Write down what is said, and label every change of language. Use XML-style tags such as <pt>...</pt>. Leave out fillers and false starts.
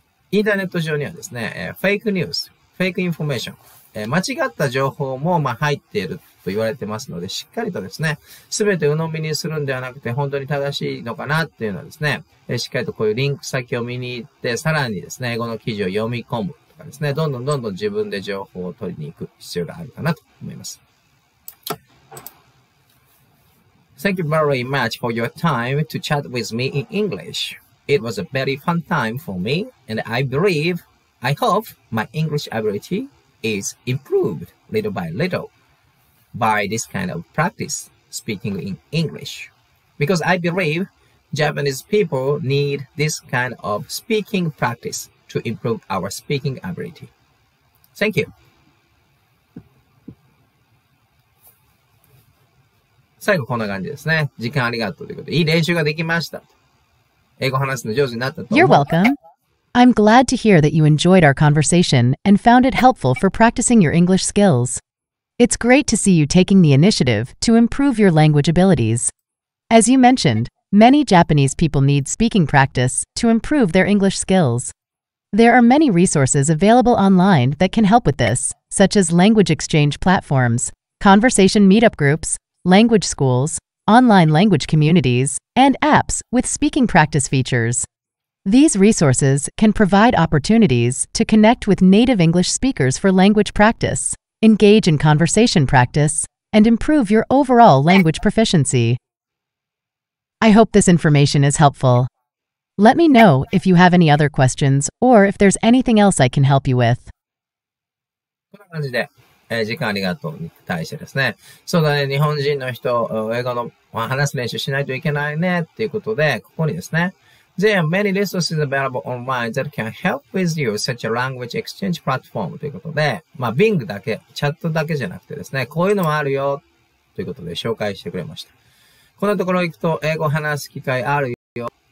<ja>インターネット上にはですね、fake news、fake information、間違った情報もまあ入っていると言われてますので、しっかりとですね、すべて鵜呑みにするんではなくて、本当に正しいのかなっていうのはですね、しっかりとこういうリンク先を見に行って、さらにですね、英語の記事を読み込むとかですね、どんどん自分で情報を取りに行く必要があるかなと思います。</ja> <en>Thank you very much for your time to chat with me in English. It was a very fun time for me, and I hope my English ability is improved little by little by this kind of practice speaking in English. Because I believe Japanese people need this kind of speaking practice to improve our speaking ability. Thank you.</en> <ja>最後こんな感じですね。時間ありがとうということで、いい練習ができました。英語話すの上手になったと思う。</ja> <en>You're welcome. I'm glad to hear that you enjoyed our conversation and found it helpful for practicing your English skills. It's great to see you taking the initiative to improve your language abilities. As you mentioned, many Japanese people need speaking practice to improve their English skills. There are many resources available online that can help with this, such as language exchange platforms, conversation meetup groups,language schools, online language communities, and apps with speaking practice features. These resources can provide opportunities to connect with native English speakers for language practice, engage in conversation practice, and improve your overall language proficiency. I hope this information is helpful. Let me know if you have any other questions or if there's anything else I can help you with.</en> <ja>こんな感じで。時間ありがとうに対してですね。そうだね、日本人の人、英語の話す練習しないといけないねっていうことで、ここにですね。 There are many resources available online that can help with you, such a language exchange platform ということで、まあ、Bing だけ、チャットだけじゃなくてですね、こういうのもあるよということで紹介してくれました。このところ行くと、英語話す機会あるよ。</ja>